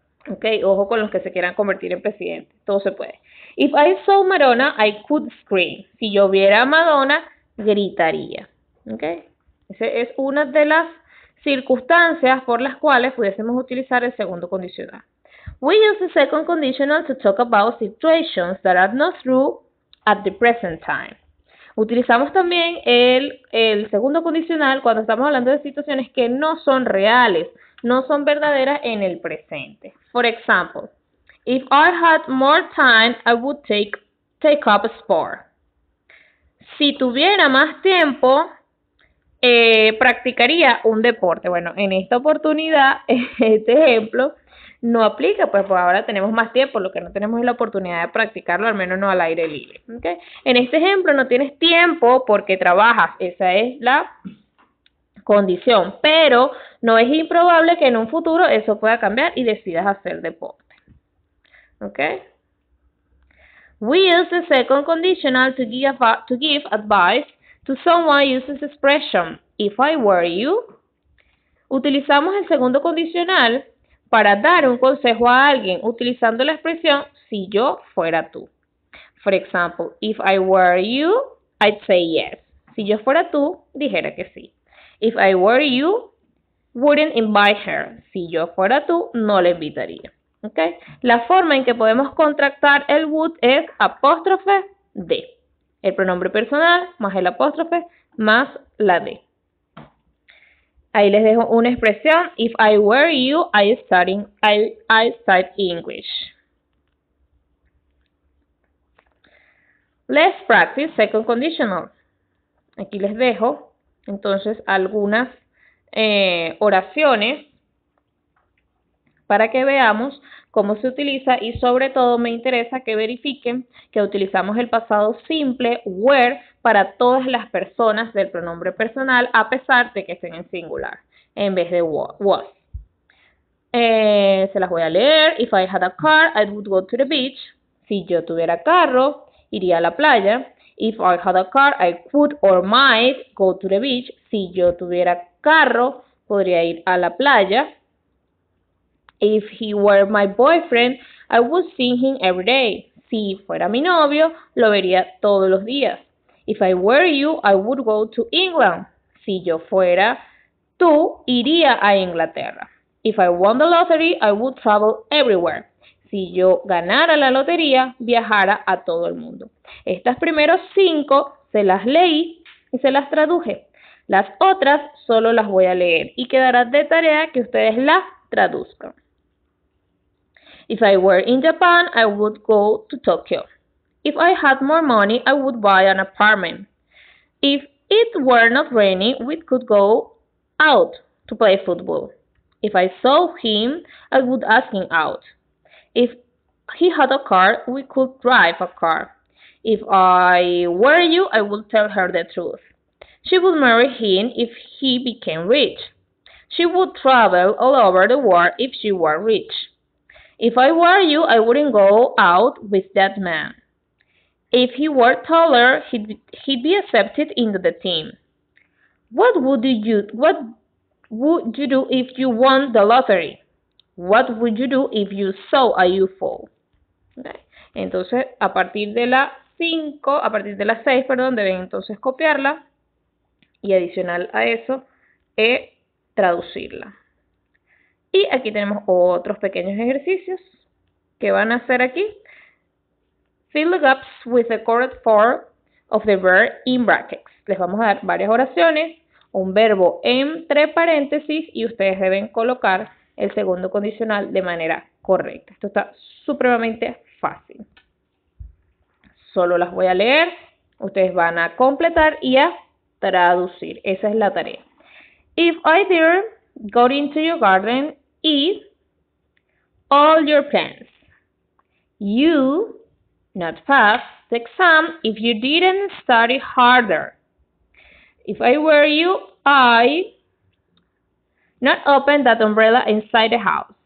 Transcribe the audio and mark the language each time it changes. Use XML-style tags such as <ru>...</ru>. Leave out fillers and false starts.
<es>Ok, ojo con los que se quieran convertir en presidente. Todo se puede.</es> <en>If I saw Madonna, I could scream.</en> <es>Si yo viera a Madonna, gritaría. Ok, esa es una de las circunstancias por las cuales pudiésemos utilizar el segundo condicional.</es> <en>We use the second conditional to talk about situations that are not true at the present time.</en> <es>Utilizamos también el segundo condicional cuando estamos hablando de situaciones que no son reales, no son verdaderas en el presente.</es> <en>For example, if I had more time, I would take up sport.</en> <es>Si tuviera más tiempo, practicaría un deporte. Bueno, en esta oportunidad, este ejemplo no aplica, pues ahora tenemos más tiempo, lo que no tenemos es la oportunidad de practicarlo, al menos no al aire libre. ¿Okay? En este ejemplo no tienes tiempo porque trabajas, esa es la condición, pero no es improbable que en un futuro eso pueda cambiar y decidas hacer deporte. ¿Okay?</es> <en>We use the second conditional to give advice to someone uses expression, if I were you.</en> <es>Utilizamos el segundo condicional para dar un consejo a alguien utilizando la expresión si yo fuera tú.</es> <en>For example, if I were you, I'd say yes.</en> <es>Si yo fuera tú, dijera que sí.</es> <en>If I were you, wouldn't invite her.</en> <es>Si yo fuera tú, no la invitaría. ¿Okay? La forma en que podemos contractar el would es apóstrofe de. El pronombre personal más el apóstrofe más la de. Ahí les dejo una expresión.</es> <en>If I were you, I'd study English. Let's practice second conditional.</en> <es>Aquí les dejo entonces algunas oraciones para que veamos cómo se utiliza y sobre todo me interesa que verifiquen que utilizamos el pasado simple were para todas las personas del pronombre personal a pesar de que estén en singular en vez de was. Se las voy a leer.</es> <en>If I had a car, I would go to the beach.</en> <es>Si yo tuviera carro, iría a la playa.</es> <en>If I had a car, I could or might go to the beach.</en> <es>Si yo tuviera carro, podría ir a la playa.</es> <en>If he were my boyfriend, I would see him every day.</en> <es>Si fuera mi novio, lo vería todos los días.</es> <en>If I were you, I would go to England.</en> <es>Si yo fuera tú, iría a Inglaterra.</es> <en>If I won the lottery, I would travel everywhere.</en> <es>Si yo ganara la lotería, viajara a todo el mundo. Estas primeras cinco se las leí y se las traduje. Las otras solo las voy a leer y quedará de tarea que ustedes las traduzcan.</es> <en>If I were in Japan, I would go to Tokyo. If I had more money, I would buy an apartment. If it were not raining, we could go out to play football. If I saw him, I would ask him out. If he had a car, we could drive a car. If I were you, I would tell her the truth. She would marry him if he became rich. She would travel all over the world if she were rich. If I were you, I wouldn't go out with that man. If he were taller, he'd be accepted into the team. What would you do if you won the lottery? What would you do if you saw a UFO? Okay.</en> <es>Entonces, a partir de la 5, a partir de la 6, perdón, deben entonces copiarla y adicional a eso, traducirla. Y aquí tenemos otros pequeños ejercicios. ¿Qué van a hacer aquí?</es> <en>Fill the gaps with the correct form of the verb in brackets.</en> <es>Les vamos a dar varias oraciones, un verbo entre paréntesis y ustedes deben colocar el segundo condicional de manera correcta. Esto está supremamente fácil. Solo las voy a leer, ustedes van a completar y a traducir. Esa es la tarea.</es> <en>If I dare go into your garden, eat all your plants. You not pass the exam if you didn't study harder. If I were you, I not open that umbrella inside the house.</en>